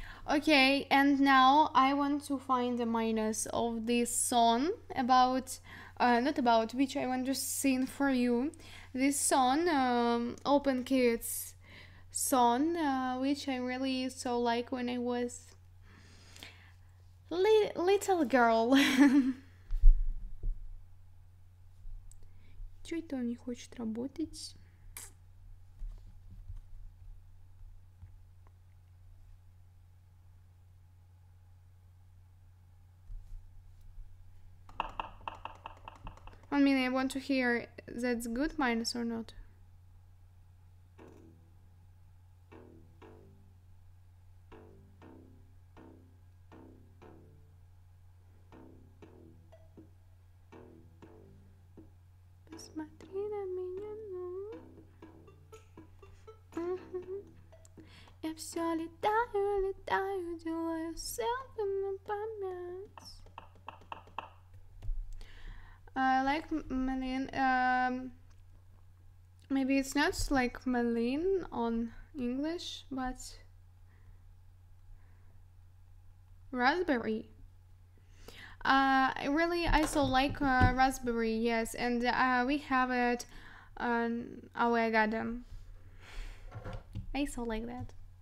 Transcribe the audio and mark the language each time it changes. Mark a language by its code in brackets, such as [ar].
[en] Okay, and now I want to find the minus of this song about, not about, which I want to sing for you. This song, Open Kids song, which I really so like when I was little girl. [ru] Чё это он не хочет работать? [en] I mean, I want to hear that's good minus or not. [ru] Посмотри на меня, ну. Я всё летаю, летаю, делаю селфи на память. [en] Like Malin, maybe it's not like Malin on English, but raspberry. I so like raspberry, yes, and we have it on our garden. I so like that.